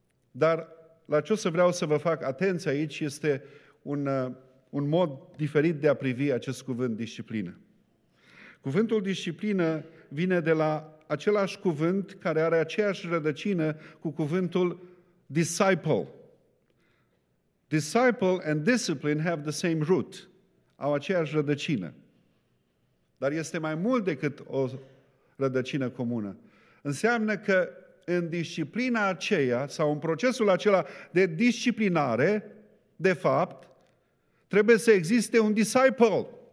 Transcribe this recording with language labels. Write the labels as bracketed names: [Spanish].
[Romanian] Dar la ce o să vreau să vă fac atenție aici este un mod diferit de a privi acest cuvânt, disciplină. Cuvântul disciplină vine de la același cuvânt care are aceeași rădăcină cu cuvântul disciple. [English] Disciple and discipline have the same root. [Romanian] Au aceeași rădăcină. Dar este mai mult decât o rădăcină comună. Înseamnă că în disciplina aceea sau în procesul acela de disciplinare, de fapt, trebuie să existe un disciple.